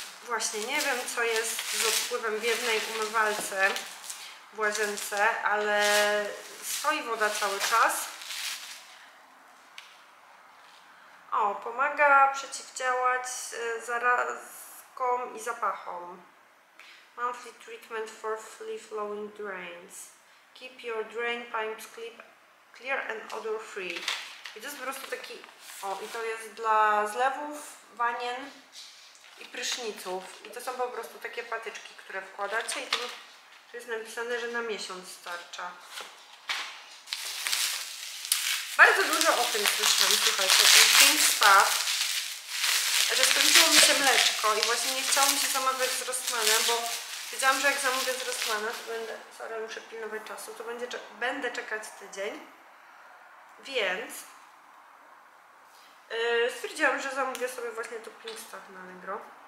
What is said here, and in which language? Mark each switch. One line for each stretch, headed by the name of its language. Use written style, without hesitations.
Polish: Właśnie nie wiem, co jest z odpływem w jednej umywalce w łazience, ale stoi woda cały czas. O, pomaga przeciwdziałać zarazkom i zapachom.
English: Monthly treatment for free flowing drains. Keep your drain pipes clear and odor free.
Polish: I to jest po prostu taki, o, i to jest dla zlewów, wanien i pryszniców. I to są po prostu takie patyczki, które wkładacie i tu jest napisane, że na miesiąc starcza. Bardzo dużo o tym słyszałam, słuchajcie, o tym Pink Spa, że skończyło mi się mleczko i właśnie nie chciało mi się zamawiać z Rossmana, bo wiedziałam, że jak zamówię z Rossmana, to będę, sorry, muszę pilnować czasu, to będę czekać tydzień, więc stwierdziłam, że zamówię sobie właśnie to Pink Spa na Allegro.